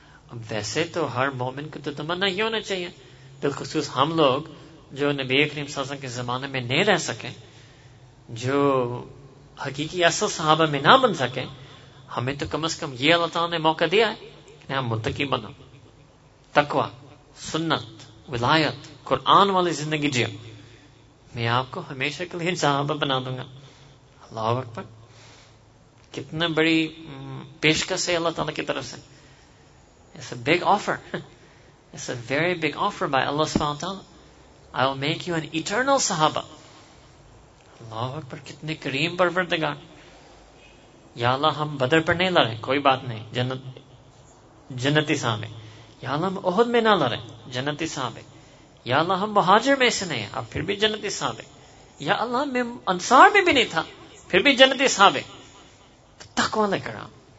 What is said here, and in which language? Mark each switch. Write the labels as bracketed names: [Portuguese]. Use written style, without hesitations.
[Urdu] اب ویسے تو ہر مومن کو تو تمنا ہی ہونا چاہیے، بالخصوص ہم لوگ جو نبی کریم صلی اللہ علیہ وسلم کے زمانے میں نہیں رہ سکے، جو حقیقی اصل صحابہ میں نہ بن سکے، ہمیں تو کم از کم یہ اللہ تعالیٰ نے موقع دیا ہے کہ ہم متقی بنو. تقوی، سنت، ولایت، قرآن والی زندگی جیو، میں آپ کو ہمیشہ کے لیے صحابہ بنا دوں گا. اللہ اکبر، کتنے بڑی پیشکش ہے اللہ تعالیٰ کی طرف سے. [English] It's a big offer. It's a very big offer by Allah سبحانہ وتعالیٰ. I will make you an eternal صحابہ. [Urdu] اللہ اکبر، کتنے کریم پروردگار. یا اللہ ہم بدر پر نہیں لڑیں، کوئی بات نہیں، جنتی صحابہ. یا اللہ ہم احد میں نہ لڑیں، جنتی صحابہ. یا اللہ ہم مہاجر میں سے نہیں، اب پھر بھی جنتی صحابہ. یا اللہ میں انصار میں بھی نہیں تھا، پھر بھی جنتی صحابہ. تقوا لے کر آؤں.